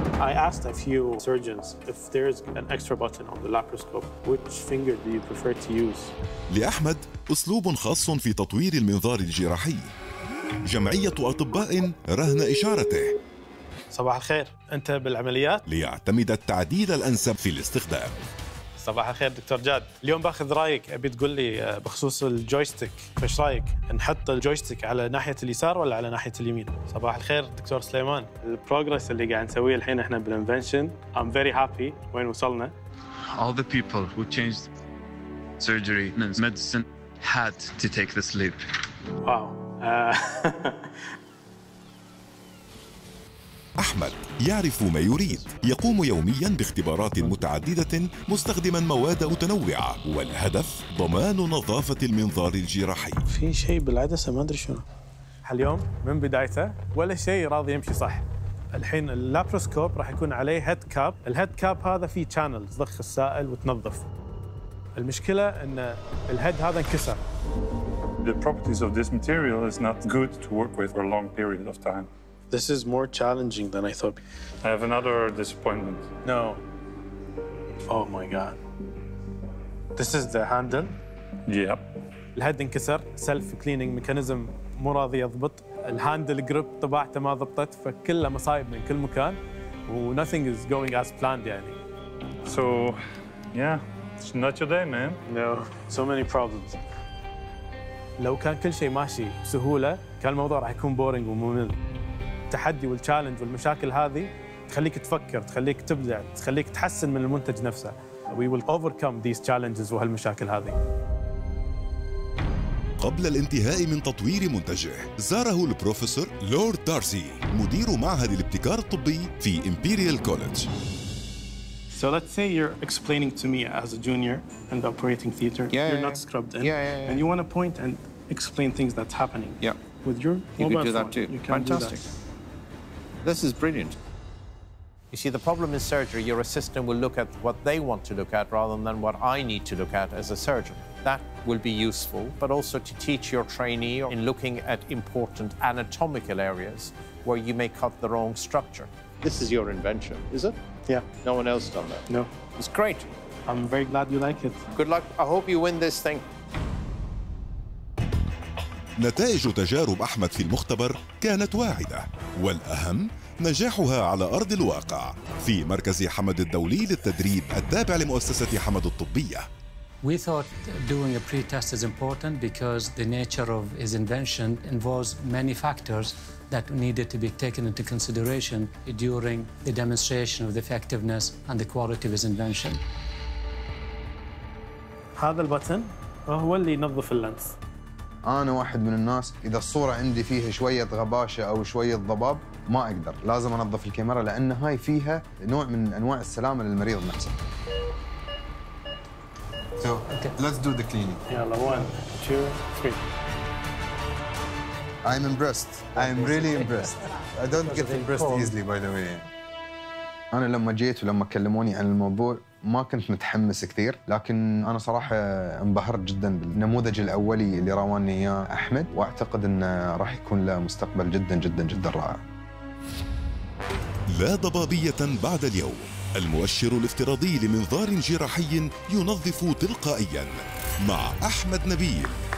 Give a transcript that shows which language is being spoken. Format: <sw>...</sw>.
<en>I asked a few surgeons if there's an extra button on the laparoscope, which finger do you prefer to use.</en> <ar>لاحمد اسلوب خاص في تطوير المنظار الجراحي. جمعية أطباء رهن إشارته. صباح الخير، أنت بالعمليات؟ ليعتمد التعديل الأنسب في الاستخدام. صباح الخير دكتور جاد، اليوم باخذ رأيك، أبي تقول لي بخصوص الجويستيك، فايش رأيك؟ نحط الجويستيك على ناحية اليسار ولا على ناحية اليمين؟ صباح الخير دكتور سليمان. البروجرس اللي قاعد نسويه الحين احنا بالانفنشن،</ar> <en>I'm very happy</en> <ar>وين وصلنا.</ar> <en>All the people who changed surgery and medicine had to take this leap. Wow.</en> <ar>أحمد يعرف ما يريد، يقوم يومياً باختبارات متعددة مستخدماً مواد متنوعة، والهدف ضمان نظافة المنظار الجراحي. في شيء بالعدسة ما أدري شنو. اليوم من بدايته ولا شيء راضي يمشي صح. الحين اللابروسكوب راح يكون عليه هيد كاب، الهيد كاب هذا فيه شانل تضخ السائل وتنظف. المشكلة إن الهيد هذا انكسر.</ar> <en>The properties of this material is not good to work with for a long period of time. This is more challenging than I thought. I have another disappointment. No. Oh my god. This is the handle. Yep.</en> <ar>الهيد انكسر، self-cleaning mechanism مو راضي يضبط، الهاندل جريب طباعته ما ضبطت، فكله مصايب من كل مكان و</ar> <en>nothing is going as planned</en> <ar>يعني.</ar> <en>So yeah, it's not your day man. No, so many problems.</en> <ar>لو كان كل شيء ماشي بسهولة كان الموضوع راح يكون بورينج وممل. التحدي والتشالنج والمشاكل هذه تخليك تفكر، تخليك تبدع، تخليك تحسن من المنتج نفسه.</ar> <en>We will overcome these challenges</en> <ar>وهالمشاكل هذه. قبل الانتهاء من تطوير منتجه، زاره البروفيسور لورد دارسي، مدير معهد الابتكار الطبي في إمبريال كوليدج.</ar> <en>So let's say you're explaining to me as a junior in the operating theater, you're not scrubbed in, and you want to point and explain things that's happening. Yeah. With your mobile phone, you can do that too. Fantastic. This is brilliant. You see, the problem in surgery, your assistant will look at what they want to look at rather than what I need to look at as a surgeon. That will be useful, but also to teach your trainee in looking at important anatomical areas where you may cut the wrong structure. This is your invention, is it? Yeah. No one else done that? No. It's great. I'm very glad you like it. Good luck. I hope you win this thing.</en> <ar>نتائج تجارب أحمد في المختبر كانت واعدة، والأهم نجاحها على أرض الواقع في مركز حمد الدولي للتدريب التابع لمؤسسة حمد الطبية.</ar> <en>We thought doing a pre-test is important because the nature of his invention involves many factors that needed to be taken into consideration during the demonstration of the effectiveness and the quality of his invention.</en> <ar>هذا البتن هو اللي ينظف اللنس. أنا واحد من الناس إذا الصورة عندي فيها شوية غباشة أو شوية ضباب ما أقدر، لازم أنظف الكاميرا لأن هاي فيها نوع من أنواع السلامة للمريض نفسه.</ar> <en>So, okay. Let's do the cleaning.</en> <ar>يلا 1, 2, 3.</ar> <en>I'm impressed. I'm really impressed. I don't get impressed easily by the way.</en> <ar>أنا لما جيت ولما كلموني عن الموضوع ما كنت متحمس كثير، لكن أنا صراحة انبهرت جداً بالنموذج الأولي اللي رواني إياه أحمد، وأعتقد أنه راح يكون له مستقبل جداً جداً جداً رائع. لا ضبابية بعد اليوم، المؤشر الافتراضي لمنظار جراحي ينظف تلقائياً مع أحمد نبيل.</ar>